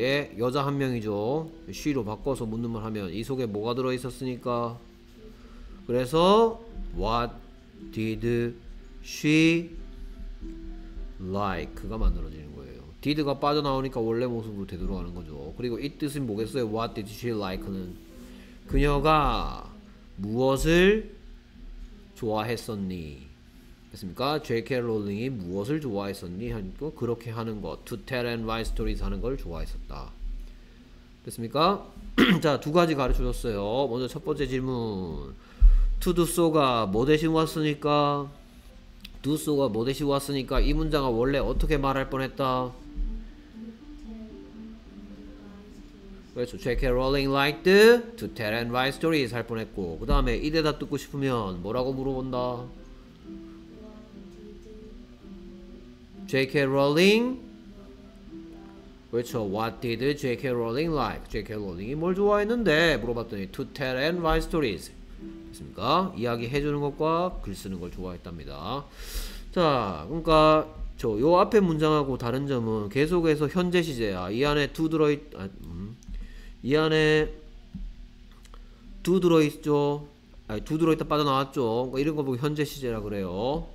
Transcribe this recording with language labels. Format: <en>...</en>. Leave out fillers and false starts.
<ko>예, 여자 한 명이죠. She로 바꿔서 묻는 말 하면 이 속에 뭐가 들어 있었으니까 그래서 What did she like 가 만들어지는 거예요. did가 빠져나오니까 원래 모습으로 되돌아가는 거죠. 그리고 이 뜻은 뭐겠어요?</ko> <en>What did she like는?</en> <ko>그녀가 무엇을 좋아했었니? 됐습니까? JK 롤링이 무엇을 좋아했었니? 하니까 그렇게 하는 것.</ko> <en>To tell and write stories 하는 걸 좋아했었다.</en> <ko>됐습니까? 자, 두 가지 가르쳐줬어요. 먼저 첫 번째 질문. To do so 가 뭐 대신 왔으니까? 두소가 뭐 대신 왔으니까 이 문장을 원래 어떻게 말할 뻔했다? 그렇죠. JK Rowling liked to tell and write stories 할 뻔했고 그 다음에 이 대답 듣고 싶으면 뭐라고 물어본다? J.K. Rowling. 그렇죠.</ko> <en>What did J.K. Rowling like? J.K. Rowling이 뭘 좋아했는데 물어봤더니 To tell and write stories.</en> <ko>그렇습니까? 이야기 해주는 것과 글 쓰는 걸 좋아했답니다. 자, 그러니까 저 요 앞에 문장하고 다른 점은 계속해서 현재 시제야. 이 안에 두 들어 있, 아, 이 안에 두 들어 있죠. 아니, 두 들어 있다 빠져 나왔죠. 그러니까 이런 거 보고 현재 시제라 그래요.</ko>